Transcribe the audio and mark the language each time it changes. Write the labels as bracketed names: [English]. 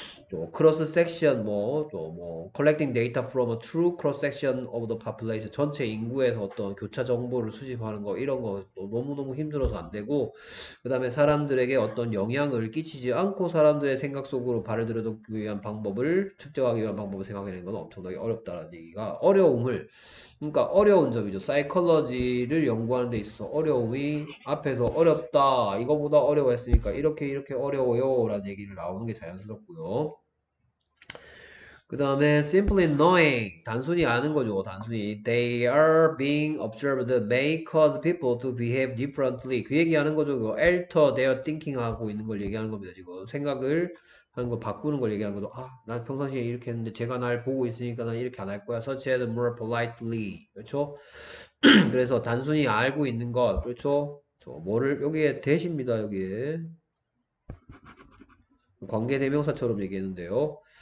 [Korean] 또 크로스 섹션 뭐또뭐 [English] collecting data from a true cross section of the population [Korean] 전체 인구에서 어떤 교차 정보를 수집하는 거 이런 거 너무너무 힘들어서 안 되고 그다음에 사람들에게 어떤 영향을 끼치지 않고 사람들의 생각 속으로 발을 들여놓기 위한 방법을 측정하기 위한 방법을 생각해낸 건 엄청나게 어렵다라는 얘기가 어려움을 그러니까 어려운 점이죠. 사이콜러지를 연구하는 데 있어서 어려움이 앞에서 어렵다 이거보다 어려워했으니까 이렇게 이렇게 어려워요라는 얘기를 나오는 게 자연스럽고요. 그 다음에 [English] simply knowing [Korean] 단순히 아는 거죠. 단순히 [English] they are being observed may cause people to behave differently. [Korean] 그 얘기하는 거죠. 그 [English] alter their thinking [Korean] 하고 있는 걸 얘기하는 겁니다. 지금 생각을 하는 거 바꾸는 걸 얘기하는 거죠. 아, 난 평상시에 이렇게 했는데 제가 날 보고 있으니까 난 이렇게 안할 거야. [English] such as more politely. [Korean] 그렇죠? 그래서 단순히 알고 있는 것 그렇죠? 저 뭐를 여기에 대시입니다. 여기에 관계대명사처럼 얘기했는데요.